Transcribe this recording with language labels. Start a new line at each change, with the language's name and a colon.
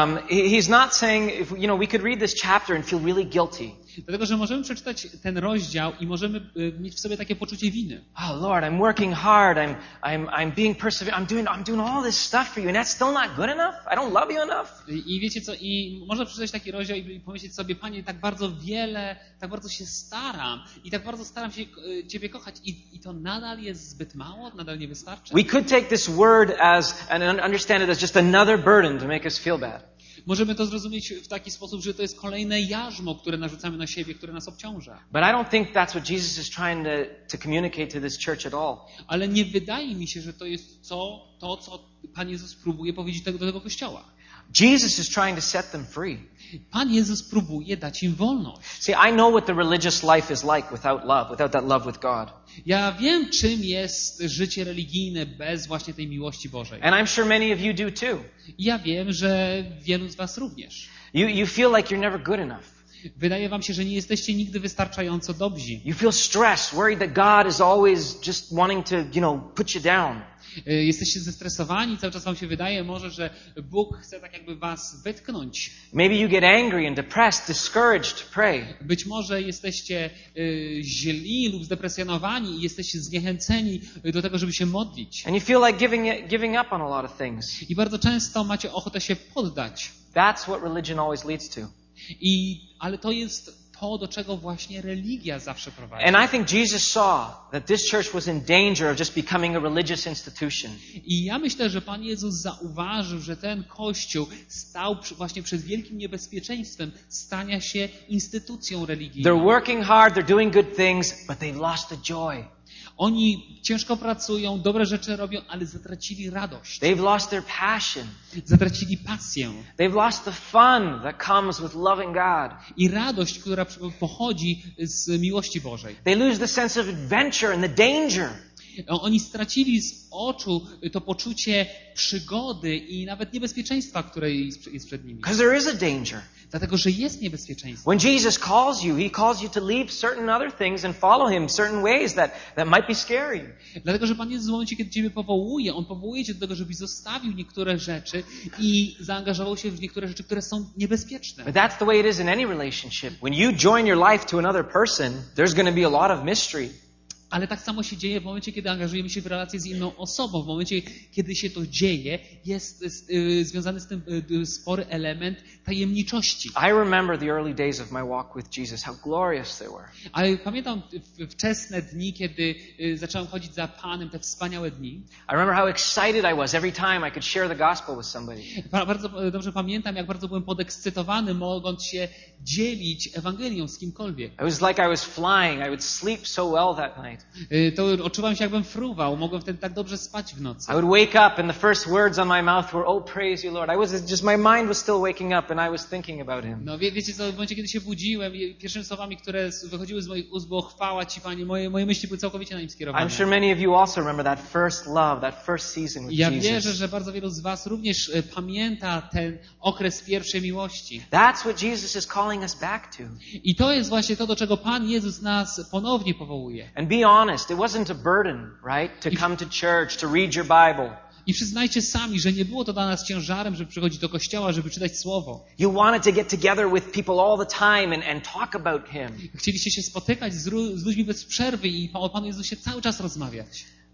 English: He's not saying, if, you know, we could read this chapter and feel really guilty.
Polish: Dlatego, że możemy przeczytać ten rozdział i możemy mieć w sobie takie poczucie winy.
English: Oh Lord, I'm working hard. I'm being persevering. I'm doing all this stuff for you, and that's still not good enough. I don't love you enough.
Polish: I wiecie co? I można przeczytać taki rozdział i pomyśleć sobie, Panie, tak bardzo wiele, tak bardzo się staram i tak bardzo staram się Ciebie kochać i to nadal jest zbyt mało, nadal nie wystarczy.
English: We could take this word as and understand it as just another burden to make us feel bad.
Polish: Możemy to zrozumieć w taki sposób, że to jest kolejne jarzmo, które narzucamy na siebie, które nas obciąża.
English: But I don't think that's what Jesus is trying to communicate to this church at all.
Polish: Ale nie wydaje mi się, że to jest to, co Pan Jezus próbuje powiedzieć do tego kościoła.
English: Jesus is trying to set them free.
Polish: Pan Jezus próbuje dać im wolność.
English: See, I know what the religious life is like without love, without that love with God.
Polish: Ja wiem, czym jest życie religijne bez właśnie tej miłości Bożej.
English: And I'm sure many of you do too.
Polish: Ja wiem, że wielu z was również.
English: You feel like you're never good enough.
Polish: Wydaje wam się, że nie jesteście nigdy wystarczająco dobrzy.
English: You feel stressed, worried that God is always just wanting to, you know, put you down.
Polish: Jesteście zestresowani, cały czas wam się wydaje może, że Bóg chce tak jakby was wytknąć.
English: Maybe you get angry and depressed, discouraged, pray.
Polish: Być może jesteście źli lub zdepresjonowani i jesteście zniechęceni do tego, żeby się modlić.
English: And you feel like giving up on a lot of things.
Polish: I bardzo często macie ochotę się poddać.
English: That's what religion always leads to.
Polish: Ale to jest to, do czego właśnie religia zawsze prowadzi.
English: And I think Jesus saw that this church was in danger of just becoming a religious institution.
Polish: I ja myślę, że Pan Jezus zauważył, że ten kościół stał właśnie przed wielkim niebezpieczeństwem stania się instytucją religijną.
English: They're working hard, they're doing good things, but they lost the joy.
Polish: Oni ciężko pracują, dobre rzeczy robią, ale zatracili radość.
English: They've lost their passion.
Polish: Zatracili pasję.
English: They've lost the fun that comes with loving God.
Polish: I radość, która pochodzi z miłości Bożej.
English: They lose the sense of adventure and the danger.
Polish: Oni stracili z oczu to poczucie przygody i nawet niebezpieczeństwa, które jest przed nimi.
English: Because there is a danger.
Polish: Dlatego, że jest niebezpieczeństwo.
English: When Jesus calls you, he calls you to leave certain other things and follow him certain ways that might be scary.
Polish: Dlatego, że Pan Jezus w momencie, kiedy ciebie powołuje, on powołuje cię do tego, żebyś zostawił niektóre rzeczy i zaangażował się w niektóre rzeczy, które są niebezpieczne.
English: But that's the way it is in any relationship. When you join your life to another person, there's going to be a lot of mystery.
Polish: Ale tak samo się dzieje w momencie, kiedy angażujemy się w relacje z inną osobą. W momencie, kiedy się to dzieje, jest związany z tym spory element tajemniczości.
English: I remember the early days of my walk with Jesus, how glorious they were.
Polish: Ale pamiętam wczesne dni, kiedy zacząłem chodzić za Panem, te wspaniałe dni.
English: I remember how excited I was every time I could share the gospel with somebody.
Polish: Bardzo dobrze pamiętam, jak bardzo byłem podekscytowany, mogąc się dzielić Ewangelią z kimkolwiek.
English: It was like I was flying. I would sleep so well that night.
Polish: To odczuwam się, jakbym fruwał, mogłem wtedy tak dobrze spać w nocy.
English: I would wake up and the first words on my mouth were, oh, praise you, Lord. I was just, my mind was still waking up and I was thinking about him.
Polish: No, wiecie co, w momencie, kiedy się budziłem, pierwszymi słowami, które wychodziły z moich ust, było chwała ci, Panie, moje myśli były całkowicie na nim skierowane.
English: I'm sure many of you also remember that first love, that first season with
Polish: Jesus. Ja wierzę, że bardzo wielu z was również pamięta ten okres pierwszej miłości.
English: That's what Jesus is calling us back to.
Polish: I to jest właśnie to, do czego Pan Jezus nas ponownie powołuje.
English: Be honest, it wasn't a burden, right? To come to church, to read your Bible.
Polish: I przyznajcie sami, że nie było to dla nas ciężarem, żeby przychodzić do kościoła, żeby czytać słowo.
English: You wanted to get together with people all the time and talk about him.
Polish: Chcieliście się spotykać z ludźmi bez przerwy i o Panu Jezusie cały czas rozmawiać.